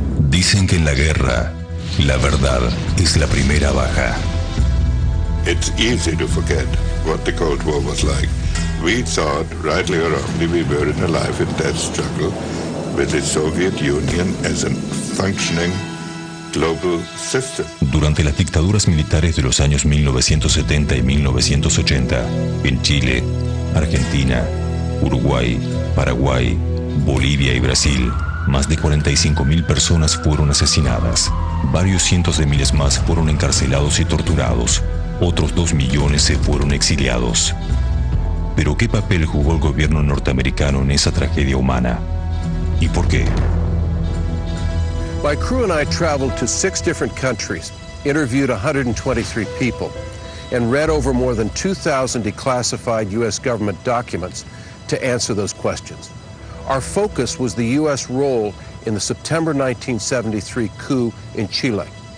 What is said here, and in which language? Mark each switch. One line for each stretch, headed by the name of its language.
Spanish: Dicen que en la guerra, la verdad es la primera baja.
English: It's easy to forget what the Cold War was like. We thought, rightly or wrongly, we were in a life and death struggle with the Soviet Union as a functioning global system.
Spanish: Durante las dictaduras militares de los años 1970 y 1980, en Chile, Argentina, Uruguay, Paraguay, Bolivia y Brasil, más de 45.000 personas fueron asesinadas. Varios cientos de miles más fueron encarcelados y torturados. Otros 2 millones se fueron exiliados. ¿Pero qué papel jugó el gobierno norteamericano en esa tragedia humana? ¿Y por qué?
English: My crew and I traveled to 6 different countries, interviewed 123 people, and read over more than 2,000 declassified U.S. government documents to answer those questions. Our focus was the U.S. role in the September 1973 coup in Chile.